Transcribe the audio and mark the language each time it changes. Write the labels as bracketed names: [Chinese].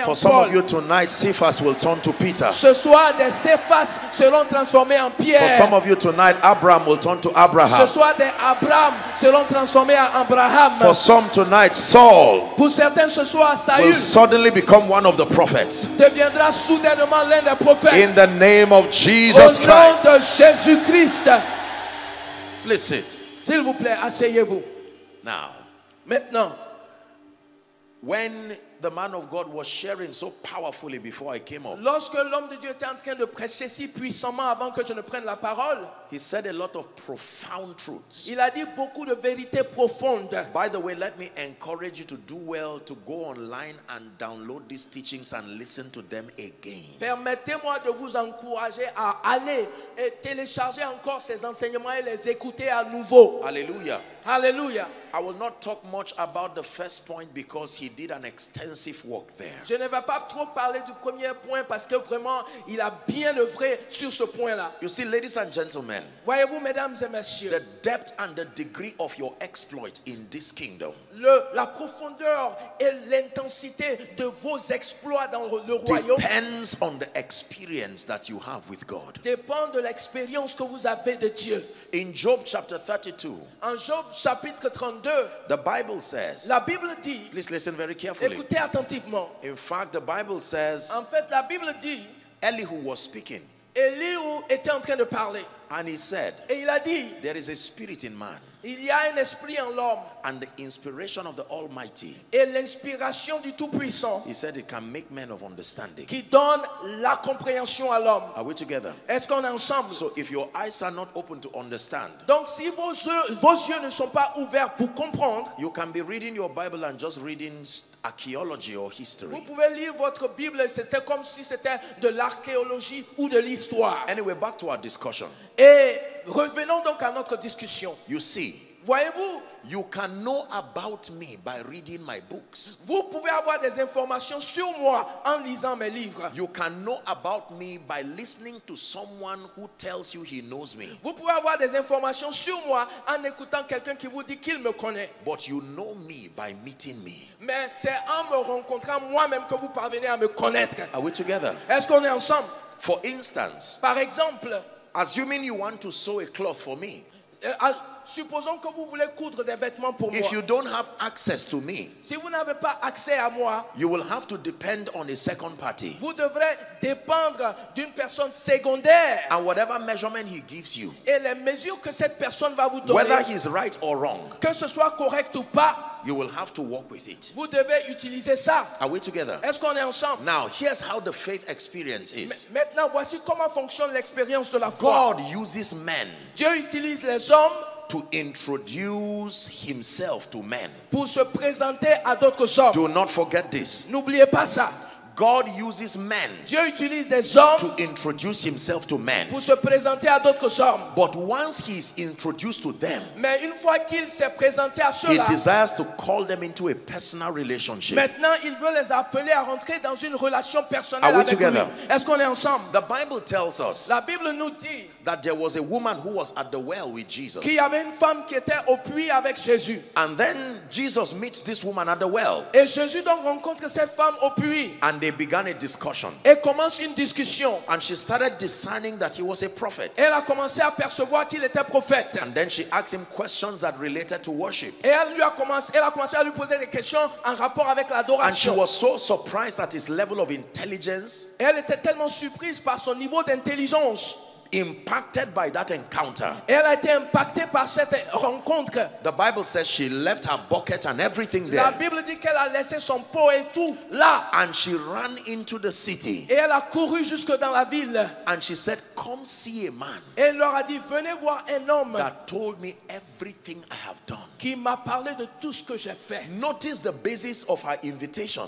[English] for [French] en Paul. [English] For some of you tonight, Cephas will turn to Peter. [French] Ce soir, des Cephas seront transformés en Pierre. [English] For some of you tonight, Abraham will turn to Abraham. [French] Ce soir, des Abraham seront transformés en Abraham. [English] For some tonight, Saul [French] pour certains, ce soir, Saül [English] will suddenly become one of the prophets. [French] Deviendra soudainement l'un des prophètes. [English] In the name of Jesus Christ. [French] Au nom de Jésus Christ. [English] Please sit. [French] S'il vous plaît, asseyez-vous. [English] Now, [French] maintenant, [English] when the man of God was sharing so powerfully before I came up, [French] lorsque l'homme de Dieu était en train de prêcher si puissamment avant que je ne prenne la parole, [English] he said a lot of profound truths. [French] Il a dit beaucoup de vérités profondes. [English] By the way, let me encourage you to do well to go online and download these teachings and listen to them again. [French] Permettez-moi de vous encourager à aller et télécharger encore ces enseignements et les écouter à nouveau. [English] Hallelujah. [French] Hallelujah. [English] I will not talk much about the first point because he did an extensive work there. [French] Je ne vais pas trop parler du premier point parce que vraiment il a bien œuvré sur ce point-là. [English] You see, ladies and gentlemen, [French] voyez-vous, mesdames et messieurs, [English] the depth and the degree of your exploit in this kingdom. [French] La profondeur et l'intensité de vos exploits dans le royaume [English] depends on the experience that you have with God. [French] Dépend de l'expérience que vous avez de Dieu. [English] In Job chapter 32. [French] En Job chapitre 32, [English] the Bible says. [French] La Bible dit, [English] please listen very carefully. [French] Écoutez attentivement. [English] In fact, the Bible says. [French] En fait, la Bible dit. [English] Elihu was speaking. [French] Elihu était en train de parler. [English] And he said. [French] Et il a dit. [English] There is a spirit in man. [French] Il y a un esprit en l'homme. [English] And the inspiration of the Almighty. [French] Et l'inspiration du Tout-Puissant. [English] He said it can make men of understanding. [French] Qui donne la compréhension à l'homme. [English] Are we together? [French] Est-ce qu'on est ensemble? [English] So if your eyes are not open to understand. [French] Donc si vos yeux ne sont pas ouverts pour comprendre. [English] You can be reading your Bible and just reading archaeology or history. [French] Vous pouvez lire votre Bible et c'était comme si c'était de l'archéologie ou de l'histoire. [English] Anyway, back to our discussion. [French] Et revenons donc à notre discussion. [English] You see, [French] voyez-vous, [English] you can know about me by reading my books. [French] Vous pouvez avoir des informations sur moi en lisant mes livres. [English] You can know about me by listening to someone who tells you he knows me. [French] Vous pouvez avoir des informations sur moi en écoutant quelqu'un qui vous dit qu'il me connaît. [English] But you know me by meeting me. [French] Mais c'est en me rencontrant moi-même que vous parvenez à me connaître. [English] Are we together? [French] Est-ce qu'on est ensemble? [English] For instance, [French] par exemple, [English] assuming you want to sew a cloth for me. [French] Supposons que vous voulez coudre des vêtements pour [English] if [French] moi. [English] If you don't have access to me. [French] Si vous n'avez pas accès à moi. [English] You will have to depend on a second party. [French] Vous devrez dépendre d'une personne secondaire. [English] And whatever measurement he gives you. [French] Et les mesures que cette personne va vous donner. [English] Whether he's right or wrong. [French] Que ce soit correct ou pas. [English] You will have to work with it. [French] Vous devez utiliser ça. [English] Are we together? [French] Est-ce qu'on est ensemble? [English] Now, here's how the faith experience is. [French] Maintenant, voici comment fonctionne l'expérience de la foi. [English] God uses men. [French] Dieu utilise les hommes [English] to introduce himself to men. [French] Pour se présenter à d'autres hommes. [English] Do not forget this. [French] N'oubliez pas ça. [English] God uses men. [French] Dieu utilise des hommes [English] to introduce himself to men. [French] Pour se présenter à d'autres hommes. [English] But once he is introduced to them, [French] mais une fois qu'il s'est présenté à ceux-là, [English] he desires to call them into a personal relationship. [French] Maintenant, il veut les appeler à rentrer dans une relation personnelle. [English] Are we together? [French] Lui. Est-ce qu'on est ensemble? [English] The Bible tells us. [French] La Bible nous dit [English] that there was a woman who was at the well with Jesus. [French] Qu'il y avait une femme qui était au puits avec Jésus. [English] And then Jesus meets this woman at the well. [French] Et Jésus donc rencontre cette femme au puits. [English] And they they began a discussion. [French] Elle commence une discussion. [English] And she started discerning that he was a prophet. [French] Elle a commencé à percevoir qu'il était prophète. [English] And then she asked him questions that related to worship. [French] Et elle a commencé à lui poser des questions en rapport avec l'adoration. [English] And she was so surprised at his level of intelligence. [French] Elle était tellement surprise par son niveau d'intelligence. [English] Impacted by that encounter. [French] Elle a été impactée par cette rencontre. [English] The Bible says she left her bucket and everything there. [French] La Bible dit qu'elle a laissé son pot et tout là. [English] And she ran into the city. [French] Et elle a couru jusque dans la ville. [English] And she said, "Come see a man." [French] Elle leur a dit, "Venez voir un homme." [English] That told me everything I have done. [French] Qui m'a parlé de tout ce que j'ai fait. [English] Notice the basis of her invitation.